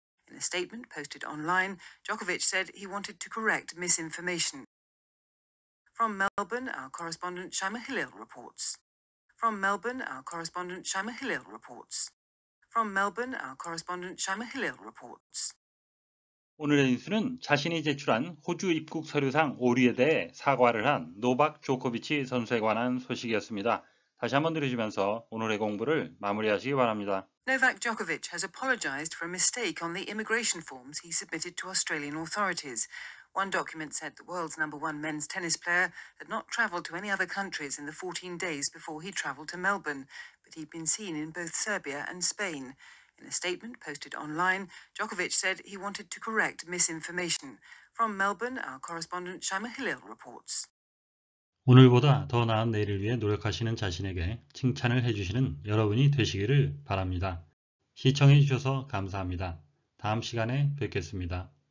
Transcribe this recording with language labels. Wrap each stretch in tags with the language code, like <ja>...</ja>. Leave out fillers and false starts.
<en>In a statement posted online, Djokovic said he wanted to correct misinformation. From Melbourne, our correspondent Shaima Hillel reports. From Melbourne, our correspondent Shaima Hillel reports. From Melbourne, our correspondent Shaima Hillel reports.</en> <ko>오늘의 뉴스는 자신이 제출한 호주 입국 서류상 오류에 대해 사과를 한 노박 조코비치 선수에 관한 소식이었습니다. 다시 한번 들으시면서 오늘의 공부를 마무리하시기 바랍니다.</ko> <en>Novak Djokovic has apologized for a mistake on the immigration forms he submitted to Australian authorities. One document said the world's number one men's tennis player had not traveled to any other countries in the 14 days before he traveled to Melbourne, but he'd been seen in both Serbia and Spain. In a statement posted online, Djokovic said he wanted to correct misinformation. From Melbourne, our correspondent Shaima Hillel reports.</en> <ko>오늘보다 더 나은 내일을 위해 노력하시는 자신에게 칭찬을 해주시는 여러분이 되시기를 바랍니다. 시청해 주셔서 감사합니다. 다음 시간에 뵙겠습니다.</ko>